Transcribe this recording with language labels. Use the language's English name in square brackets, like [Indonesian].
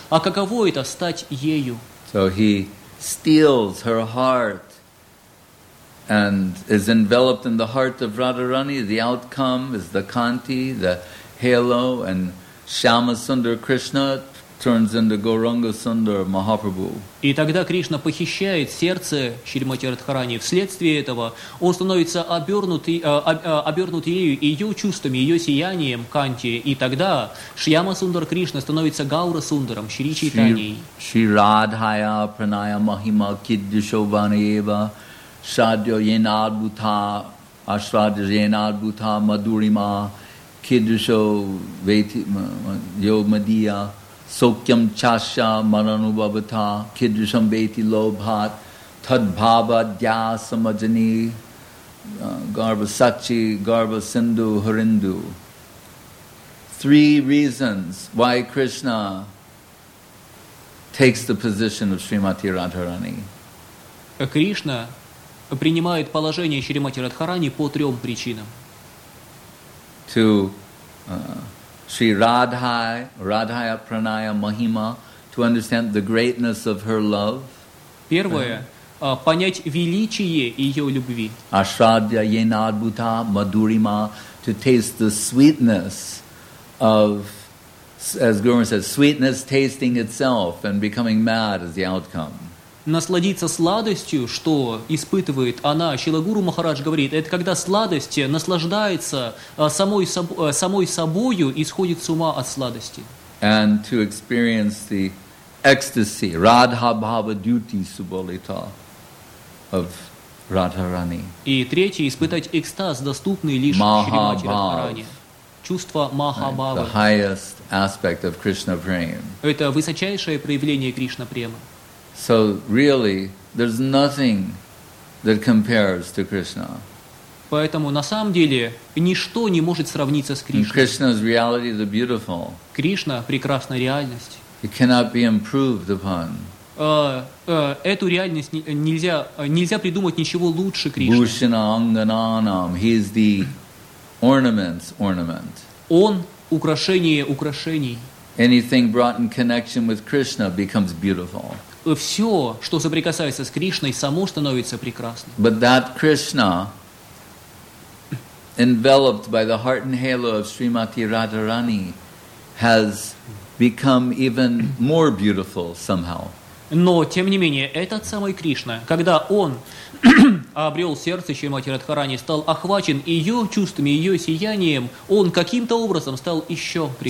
[Russian] А каково это стать ею? [English] So he steals her heart and is enveloped in the heart of Radharani. The outcome is the Kanti, the Halo, and Shyama Sundar Krishna turns into Gauranga Sundar Mahaprabhu. [Russian] И тогда Кришна похищает сердце Шримати Радхарани. Вследствие этого он становится обернут ею, ее чувствами, ее сиянием, Канти. И тогда Шьяма Сундар Кришна становится Гаура Сундаром, Шри Чайтаньей. [Sanskrit] Шри Радхая Праная Махима Кидди Шобанаева Шадья Йенадбута Ашрадья Йенадбута Мадурима Kidusho Veti Yo Madhya Sokyam Chasha Maranubabata Kidusham Veti Lobhat Tadbhava Dya Samajani Garba Sachi Garba Sindhu Harindu. [English] Three reasons why Krishna takes the position of Srimati Radharani. [Russian] Krishna принимает положение Шримати Радхарани по трем причинам. [English] To Sri Radhai, Radhaya Pranaya Mahima, to understand the greatness of her love. [Russian] Первое, понять величие ее любви. [English] Ashradya Yenadbhuta Madhurima, to taste the sweetness of, as Guru says, sweetness tasting itself and becoming mad as the outcome. [Russian] Насладиться сладостью, что испытывает она. Шрила Гуру Махарадж говорит, это когда сладость наслаждается самой собою и сходит с ума от сладости. [English] And to experience the ecstasy, Radha Bhava Duty Subolita of Radharani. [Russian] И третье, испытать экстаз, доступный лишь Шримати Радхарани. Чувство Махабхавы. [English] The highest aspect of Krishna Prema. [Russian] Это высочайшее проявление Кришна Према. [English] So really, there's nothing that compares to Krishna. [Russian] Поэтому на самом деле ничто не может сравниться с Кришной. [English] Krishna's reality, the beautiful. [Russian] Кришна прекрасная реальность. [English] It cannot be improved upon. [Russian] Эту реальность нельзя придумать ничего лучше Кришны. [English] Bhushana Angananam, he is the ornament. [Russian] Он украшение украшений. [English] Anything brought in connection with Krishna becomes beautiful. [Russian] Все, что соприкасается с Кришной, само становится прекрасным. [English] But that Krishna, enveloped by the heart and halo of Srimati Radharani, has become even more beautiful somehow. [Russian] Но, тем не менее, этот самый Кришна, когда он обрел сердце Шримати Радхарани, стал охвачен ее чувствами, ее сиянием, он каким-то образом стал еще